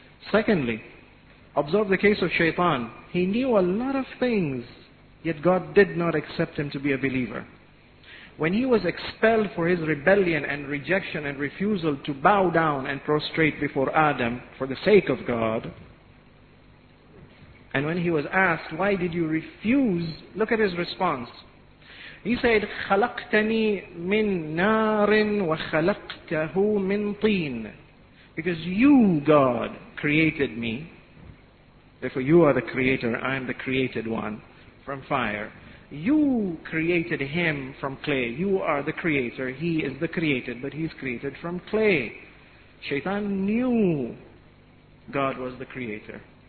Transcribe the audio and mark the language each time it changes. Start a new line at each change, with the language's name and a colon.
English: Secondly, observe the case of Shaitan. He knew a lot of things, yet God did not accept him to be a believer. When he was expelled for his rebellion and rejection and refusal to bow down and prostrate before Adam for the sake of God, and when he was asked, why did you refuse? Look at his response. He said,
Arabic: خَلَقْتَنِي مِن نَارٍ وَخَلَقْتَهُ مِن طِينٍ.
English: Because you, God, created me. Therefore you are the creator, I am the created one, from fire. You created him from clay. You are the creator, he is the created, but he is created from clay. Shaitan knew God was the creator.